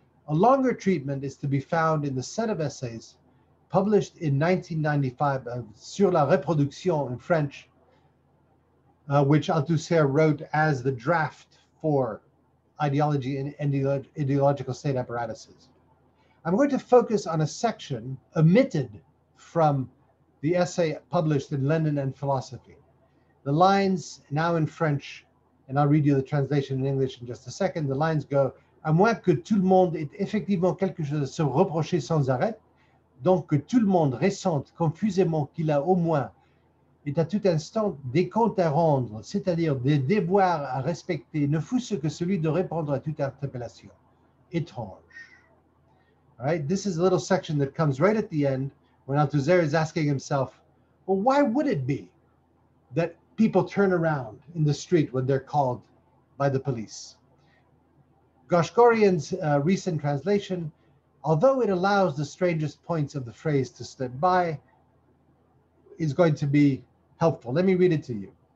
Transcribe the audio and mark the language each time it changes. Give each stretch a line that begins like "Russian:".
English: A longer treatment is to be found in the set of essays published in 1995 Sur la reproduction in French, which Althusser wrote as the draft for ideology and ideological state apparatuses. I'm going to focus on a section omitted from the essay published in Lenin and Philosophy. The lines now in French, and I'll read you the translation in English in just a second. The lines go,
French: à moins que tout le monde ait effectivement quelque chose à se reprocher sans arrêt, donc que tout le monde ressente confusément qu'il a au moins et à tout instant des comptes à rendre, c'est-à-dire des devoirs à respecter, ne fût-ce que celui de répondre à toute interpellation. Étrange.
English: All right, this is a little section that comes right at the end when Althusser is asking himself, well, why would it be that people turn around in the street when they're called by the police? Goshkorian's recent translation, although it allows the strangest points of the phrase to slip by, is going to be helpful. Let me read it to you.